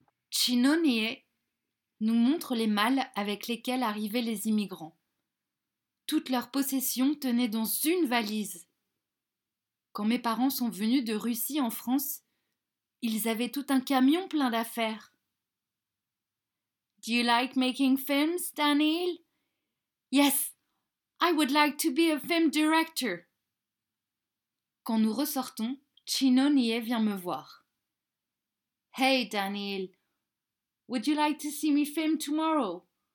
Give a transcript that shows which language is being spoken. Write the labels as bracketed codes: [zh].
[fr] Chino Nye nous montre les malles avec lesquelles arrivaient les immigrants. Toutes leurs possessions tenaient dans une valise. Quand mes parents sont venus de Russie en France, ils avaient tout un camion plein d'affaires. [en] Do you like making films, Daniel? Yes, I would like to be a film director. [fr] Quand nous ressortons, Chino Nye vient me voir. [en] Hey, Daniel, would you like to see me film tomorrow?